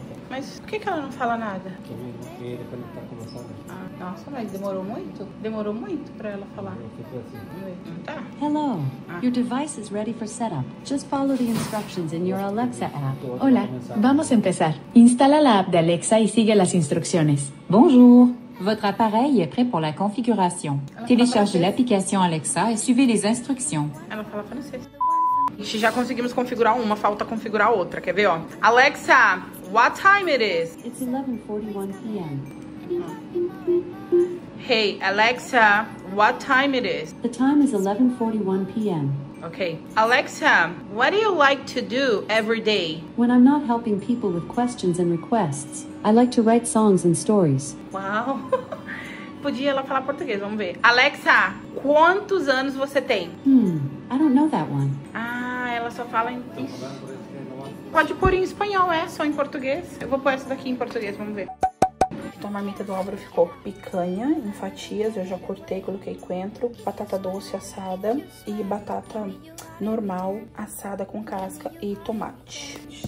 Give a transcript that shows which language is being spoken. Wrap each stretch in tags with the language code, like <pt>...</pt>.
<pt>Mas por que que ela não fala nada? Porque depois ele tá começando. Ah, nossa, mas demorou muito? Demorou muito pra ela falar. Assim. Tá.</pt> <en>Hello. Your device is ready for setup. Just follow the instructions in your Alexa app.</en> <es>Hola. Vamos empezar. Instala la app de Alexa y sigue las instrucciones.</es> <fr>Bonjour. Votre appareil est prêt pour la configuration. Télécharge l'application Alexa et suivez les instructions.</fr> <pt>Ela fala francês. Gente, já conseguimos configurar uma, falta configurar outra. Quer ver, ó?</pt> <en>Alexa, what time it is? It's 11:41 p.m. Hey, Alexa, what time it is? The time is 11:41 p.m. Okay. Alexa, what do you like to do every day? When I'm not helping people with questions and requests, I like to write songs and stories. Wow.</en> <pt>Podia ela falar português, vamos ver. Alexa, quantos anos você tem?</pt> <en>I don't know that one.</en> <pt>Ah, ela só fala em... Pode pôr em espanhol, é, só em português. Eu vou pôr essa daqui em português, vamos ver. Então a marmita do Álvaro ficou picanha em fatias, eu já cortei, coloquei coentro, batata doce assada e batata normal assada com casca e tomate.</pt>